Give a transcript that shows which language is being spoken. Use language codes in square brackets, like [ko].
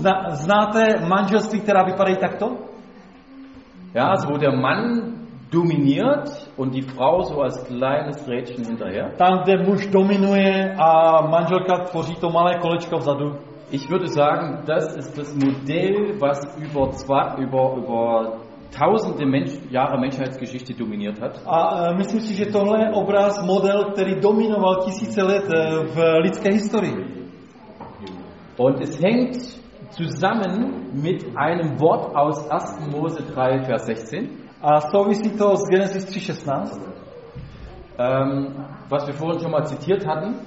[cs] Znáte manželství, která vypadají takto? [de] Ja, also wo der Mann dominiert und die Frau so als kleines Rädchen hinterher. [cs] Tam, kde muž dominuje a manželka tvoří to malé kolečko vzadu. [de] Ich würde sagen, das ist das Modell, was über tausende Jahre Menschheitsgeschichte dominiert hat. [cs] A myslím si, že tohle je obraz, model, který dominoval tisíce let v lidské historii. [de] Und es hängt zusammen mit einem Wort aus 1. Mose 3, Vers 16. [cs] A souvisí to s Genesis 3:16. [de] Was wir vorhin schon mal zitiert hatten.